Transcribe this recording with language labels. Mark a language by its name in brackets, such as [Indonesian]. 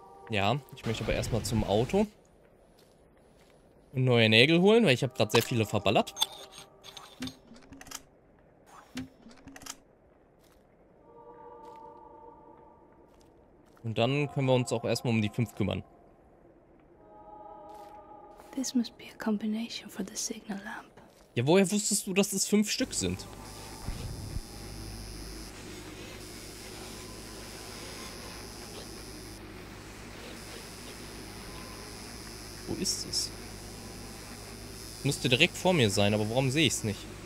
[German] Ja, ich möchte aber erstmal zum Auto. Und neue Nägel holen, weil ich habe gerade sehr viele verballert. Und dann können wir uns auch erstmal um die 5 kümmern. [English] This must be a combination for the signal lamp. [German] Ja, woher wusstest du, dass es 5 Stück sind? Wo ist es? Müsste direkt vor mir sein, aber warum sehe ich es nicht?